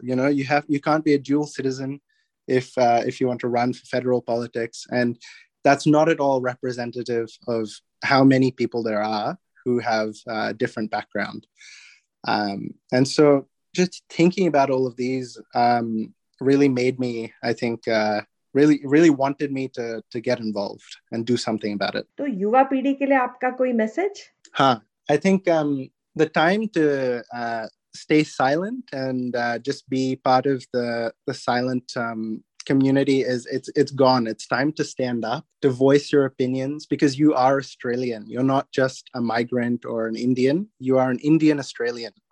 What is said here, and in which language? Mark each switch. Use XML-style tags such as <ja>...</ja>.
<en>You know, you can't be a dual citizen if you want to run for federal politics, and that's not at all representative of how many people there are who have a different background. And so just thinking about all of these really made me, I think, really wanted me to get involved and do something about it.</en> <hi>तो युवा पीढ़ी के लिए आपका कोई message?</hi> <en>हाँ, I think the time to stay silent and just be part of the silent community is it's gone. It's time to stand up, to voice your opinions, because you are Australian. You're not just a migrant or an Indian. You are an Indian Australian.</en>